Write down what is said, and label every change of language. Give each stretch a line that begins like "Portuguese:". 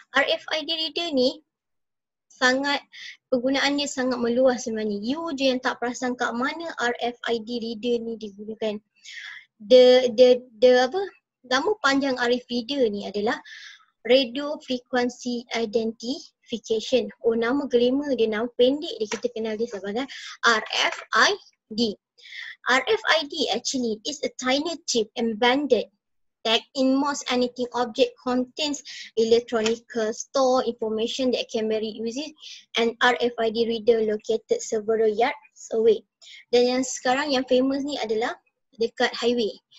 Malay: RFID reader ni sangat, penggunaan dia sangat meluas sebenarnya. You je yang tak perasan kat mana RFID reader ni digunakan. the apa nama panjang RFID ni adalah radio frequency identification. Oh, nama glamour dia, nama pendek dia kita kenal dia sebagai RFID.
English: RFID actually is a tiny chip embedded that in most anything object contains electronic store information that can be used, and RFID reader located several yards away.
Malay: Dan yang sekarang yang famous ni adalah dekat highway.